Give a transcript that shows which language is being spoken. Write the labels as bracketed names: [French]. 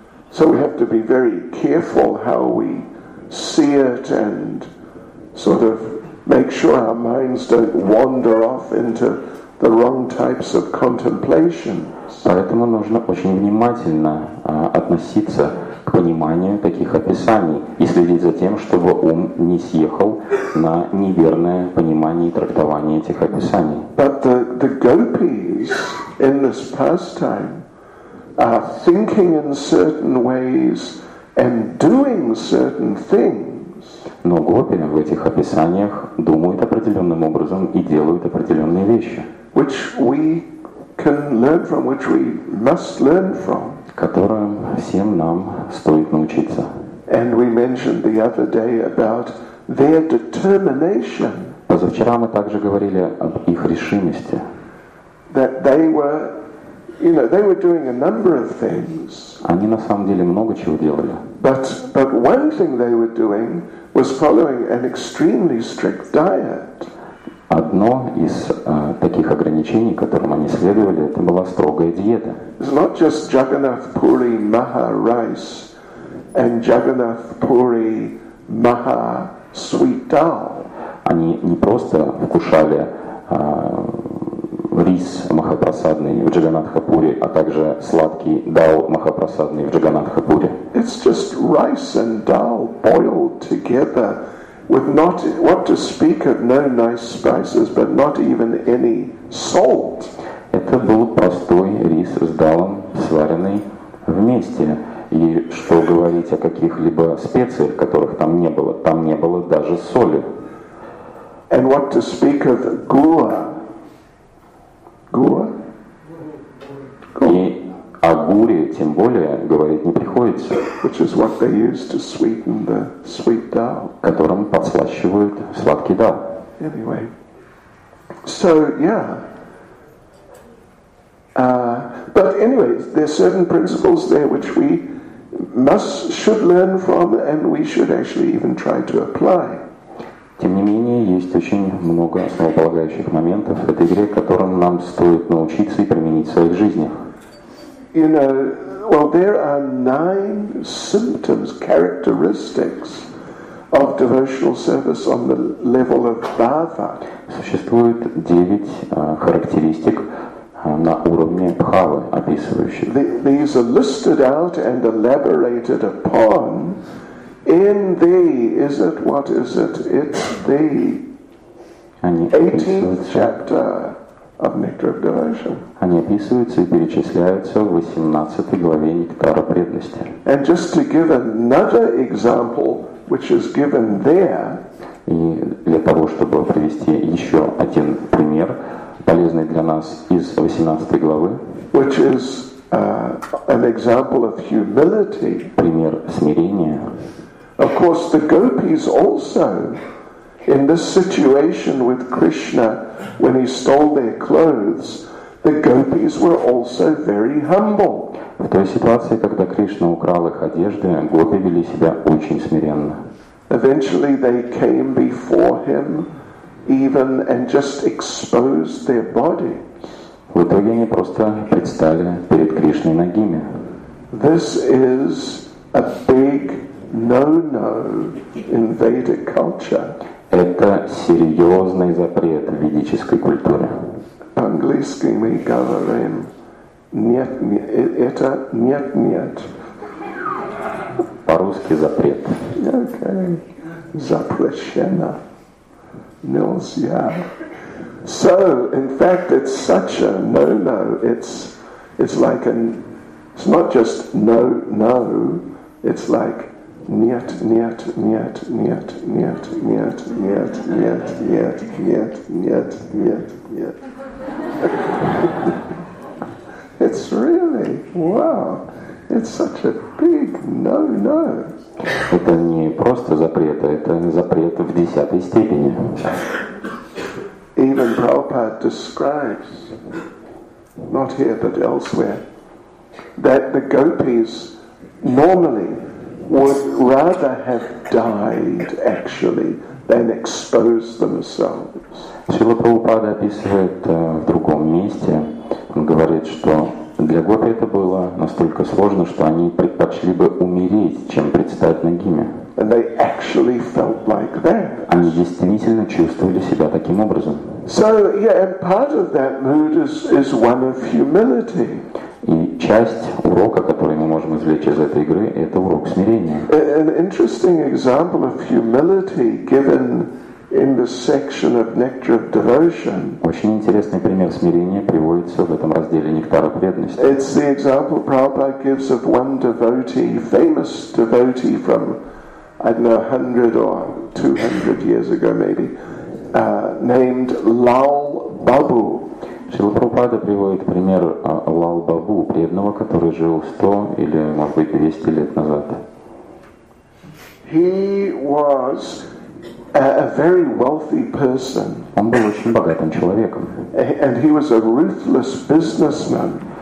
[English] So we have to be very careful how we see it and sort of make sure our minds don't wander off into the wrong types of contemplation. [Russian] Поэтому нужно очень внимательно относиться к пониманию таких описаний и следить за тем, чтобы ум не съехал на неверное понимание и трактование этих описаний. [English] But the gopis in this pastime, thinking in certain ways and doing certain things. [Russian] Но гопи в этих описаниях думают определенным образом и делают определенные вещи. [English] Which we can learn from, which we must learn from. [Russian] Которым всем нам стоит научиться. [English] And we mentioned the other day about their determination. [Russian] Позавчера мы также говорили об их решимости. [English] That they were, you know, they were doing a number of things. [Russian] Они на самом деле много чего делали. [English] But one thing they were doing was following an extremely strict diet. [Russian] Одно из таких ограничений, которым они следовали, это была строгая диета. [English] It's not just Jagannath Puri Maha Rice and Jagannath Puri Maha Sweet Dal. [Russian] Они не просто вкушали рис махапрасадный в Джаганатхапуре, а также сладкий дал махапрасадный в Джаганатхапуре. [English] It's just rice and dal boiled together with not, what to speak of, no nice spices, but not even any salt. [Russian] Это был простой рис с далом, сваренный вместе. И что говорить о каких-либо специях, которых там не было? Там не было даже соли. [English] And what to speak of gua? Gua? [Russian] И о гуре тем более говорить не приходится. [English] Which is what they use to sweeten the sweet dal. [Russian] Которым подслащивают сладкий дал. [English] Anyway, so yeah. But anyway, there are certain principles there which we must, should learn from, and we should actually even try to apply. [Russian] Тем не менее, есть очень много основополагающих моментов в этой игре, которым нам стоит научиться и применить в своих жизнях. [English] You know, well, there are 9 symptoms, characteristics of devotional service on the level of bhava. [Russian] Существует 9 характеристик на уровне бхавы, описывающих. [English] These are listed out and elaborated upon. In the, is it, what is it? It's the 18th chapter of Nectar of Devotion. [Russian] Они описываются и перечисляются в 18 главе Нектара Преданности. [English] And just to give another example, which is given there. [Russian] И для того, чтобы привести еще один пример, полезный для нас из 18 главы. [English] Which is an example of humility. [Russian] Пример смирения. [English] Of course, the gopis also, in this situation with Krishna, when he stole their clothes, the gopis were also very humble. [Russian] В той ситуации, когда Кришна украл их одежды, гопи вели себя очень смиренно. [English] Eventually, they came before him, even and just exposed their bodies. [Russian] В итоге они просто предстали перед Кришной нагими. [English] This is a big no-no in Vedic culture. [Russian] Это серьезный запрет в ведической культуре. По-английски мы говорим нет, это нет, нет. По-русски запрет. Okay. Запрещено. Нельзя. [English] So, in fact, it's such a no-no. It's like an, it's not just no-no, it's like [Russian] нет, нет, нет, нет, [English] нет, нет, нет, нет, нет, нет, нет, нет, нет. It's really, wow, it's such a big no-no. [Russian] Это не просто запрет, это запрет в десятой степени. [English] Even Prabhupada describes, not here but elsewhere, that the gopis normally would rather have died, actually, than expose themselves. [Russian] Шрила Прабхупада описывает в другом месте. Он говорит, что для гопи это было настолько сложно, что они предпочли бы умереть, чем предстать нагими. [English] And they actually felt like that. [Russian] Они действительно чувствовали себя таким образом. [English] So, yeah, and part of that mood is one of humility. [Russian] И часть урока, который мы можем извлечь из этой игры, это урок смирения. [English] An interesting example of humility given in the section of nectar of devotion. [Russian] Очень интересный пример смирения приводится в этом разделе нектара преданности. [English] It's the example Prabhupada gives of one devotee, famous devotee from, I don't know, 100 or 200 years ago maybe, named Lal Babu. [Russian] Шрила Прабхупада приводит пример Лал Бабу, преданного, который жил 100 или, может быть, 200 лет назад. [English] He was a very wealthy person. [Russian] Он был очень богатым человеком. [English] And he was a ruthless businessman.